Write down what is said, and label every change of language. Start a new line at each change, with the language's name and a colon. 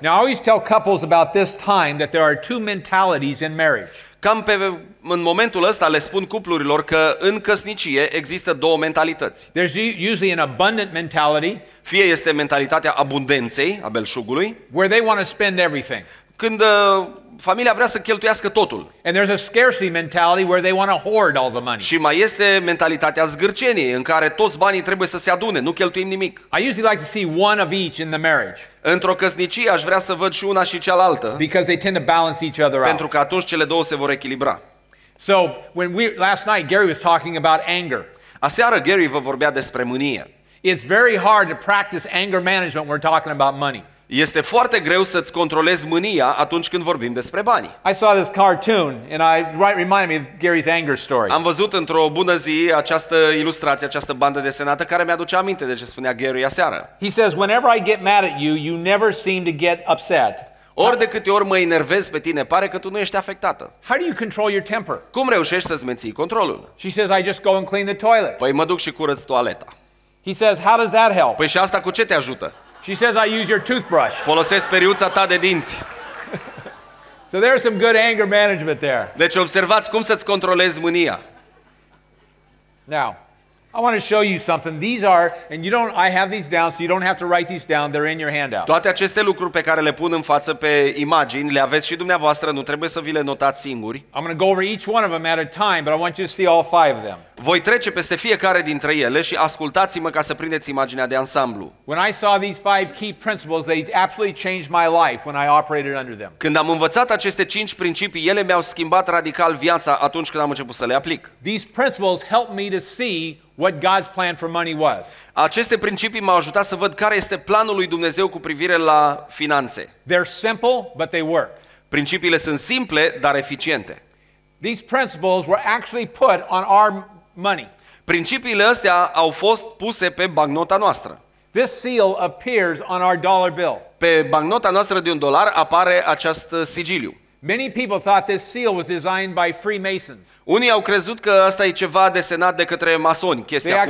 English: Now I always tell couples about this time that there are two mentalities in marriage.
Romanian: Cam pe în momentul ăsta le spun cuplurilor că în căsnicie există două mentalități.
English: There's usually an abundant mentality.
Romanian: Fie este mentalitatea abundenței, a belșugului,
English: where they want to spend everything.
Romanian: Când familia vrea să cheltuiască totul.
English: And there's a scarcity mentality where they want to hoard all the money.
Romanian: Și mai este mentalitatea zgârceniei, în care toți banii trebuie să se adune, nu cheltuim nimic.
English: I usually like to see one of each in the marriage.
Romanian: Într-o căsnicie aș vrea să văd și una și cealaltă.
English: Because they tend to balance each other out.
Romanian: Pentru că atunci cele două se vor echilibra.
English: So, last night Gary was talking about anger.
Romanian: Aseară Gary vă vorbea despre mânie.
English: It's very hard to practice anger management when we're talking about money.
Romanian: Este foarte greu să-ți controlezi mânia atunci când vorbim despre bani.
English: I saw this cartoon and it reminded me of Gary's anger story.
Romanian: Am văzut într-o bună zi această ilustrație, această bandă desenată care mi-aduce aminte de ce spunea Gary aseară.
English: He says, whenever I get mad at you, you never seem to get upset.
Romanian: Ori de câte ori mă enervez pe tine, pare că tu nu ești afectată.
English: How do you control your temper?
Romanian: Cum reușești să-ți menții controlul?
English: She says, I just go and clean the toilet.
Romanian: Păi mă duc și curăț toaleta.
English: He says, how does that help?
Romanian: Păi și asta cu ce te ajută?
English: She says, I use your toothbrush.
Romanian: Folosesc periuța ta de dinți.
English: So there's some good anger management there.
Romanian: Deci observați cum să-ți controlezi mânia.
English: Now, I want to show you something. These are, and you don't, I have these down, so you don't have to write these down. They're in your handout.
Romanian: Toate aceste lucruri pe care le pun în față pe imagini, le aveți și dumneavoastră, nu trebuie să vi le notați singuri.
English: I'm going to go over each one of them at a time, but I want you to see all five of them.
Romanian: Voi trece peste fiecare dintre ele și ascultați-mă ca să prindeți imaginea de ansamblu.
English: When I saw these five key principles, they absolutely changed my life when I operated under them.
Romanian: Când am învățat aceste cinci principii, ele mi-au schimbat radical viața atunci când am început să le aplic.
English: These principles helped me to see what God's plan for money was.
Romanian: Aceste principii m-au ajutat să văd care este planul lui Dumnezeu cu privire la finanțe.
English: They're simple, but they work.
Romanian: Principiile sunt simple, dar eficiente.
English: These principles were actually put on our money.
Romanian: Principiile astea au fost puse pe bancnota noastră.
English: This seal appears on our dollar bill.
Romanian: Pe bancnota noastră de un dolar apare acest sigiliu.
English: Many people thought this seal was designed by Freemasons.
Romanian: Unii au crezut că asta e ceva desenat de către masoni, chestia cu ochiul.